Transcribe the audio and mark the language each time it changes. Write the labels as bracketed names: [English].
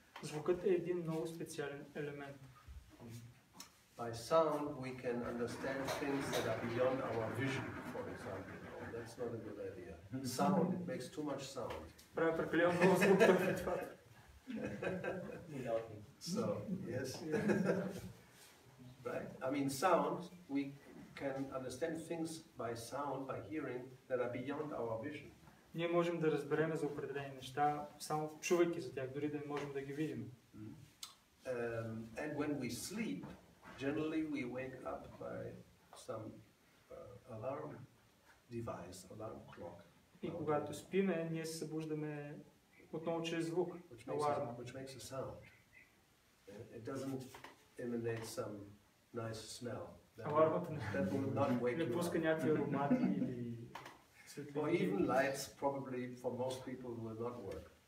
[Bulgarian] Звукът е един много специален елемент. [English] By sound we can understand things that are beyond our vision, for example. Oh, that's not a good idea. Sound, it makes too much sound. [Bulgarian] Прави прекалено много звук. [English] So, yes. Right? I mean, sound, we can understand things by sound, by hearing, that are beyond our vision. [Bulgarian] Ние можем да разберем за определени неща, само чувайки за тях, дори да не можем да ги видим. [English] And when we sleep, generally we wake up by some alarm device, alarm clock. [Bulgarian] И когато спиме, ние се събуждаме отново чрез звук, аларм. [English] Which makes a sound. It doesn't emanate some nice smell. [Bulgarian] Не пуска някакви аромати или светлини. [English] Or even lights, probably for most people will not work.